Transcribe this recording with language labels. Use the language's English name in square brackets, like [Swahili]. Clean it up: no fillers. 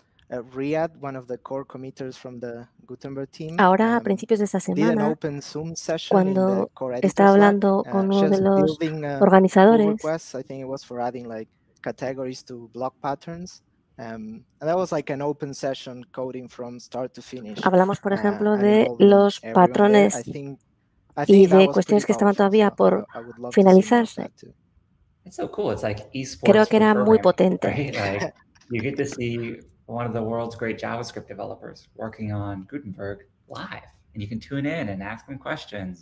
[English] Riyadh, one of the core committers from the Gutenberg team. [Spanish] Ahora, a principios de esta semana, cuando estaba hablando con uno de los organizadores, [English] I think it was for adding like categories to block patterns. And that was like an open session coding from start to finish. [Spanish] Hablamos, por ejemplo, de los patrones y de cuestiones que estaban todavía por finalizarse. [English] It's so cool. It's like esports. [Spanish] Creo que era muy potente. [English] You get to see one of the world's great JavaScript developers working on Gutenberg live, and you can tune in and ask them questions.